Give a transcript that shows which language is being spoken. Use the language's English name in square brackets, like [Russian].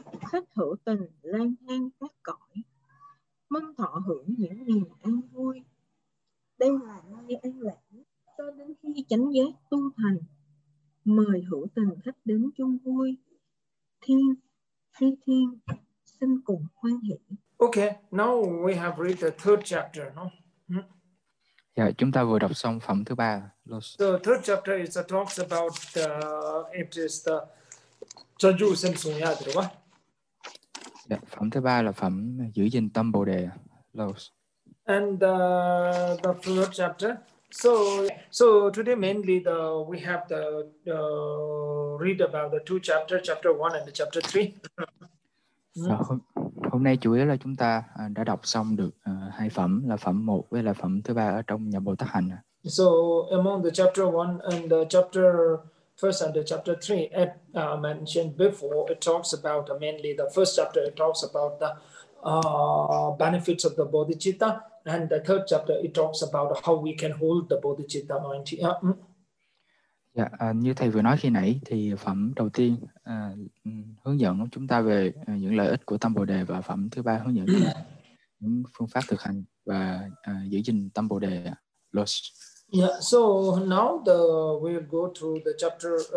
[Vietnamese] Khách hữu tình lang thang các cõi, mân thọ hưởng những niềm an vui. Đây là nơi an lạc cho đến khi chánh giác tu thành, mời hữu tình khách đến chung vui. Thiên, phi thiên, xin cùng hoan hỷ. [English] Okay, now we have read the third chapter, no? [Vietnamese] Dạ, chúng ta vừa đọc xong phẩm thứ ba. [English] So third chapter is talks about it is the Chanju sen sung ya thì quá. [Vietnamese] Dạ, phẩm thứ ba là phẩm giữ gìn tâm Bồ đề. Lose. [English] And the third chapter. So today mainly we have the read about the two chapters, chapter 1 and chapter 3. [Vietnamese] So, hôm nay chủ yếu là chúng ta đã đọc xong được hai phẩm là phẩm 1 với là phẩm thứ ba ở trong nhà Bồ Tát hành. [English] So among the chapter 1 and the chapter 1 and the chapter 3 it mentioned before it talks about mainly the first chapter it talks about the benefits of the bodhicitta and the third chapter it talks about how we can hold the bodhicitta mind. [Vietnamese] Như thầy vừa nói khi nãy thì phẩm đầu tiên hướng dẫn chúng ta về những lợi ích của tâm bồ đề và phẩm thứ ba hướng dẫn những phương pháp thực hành và giữ gìn tâm bồ đề. Los. [English] Yeah, so now we'll go through the chapter.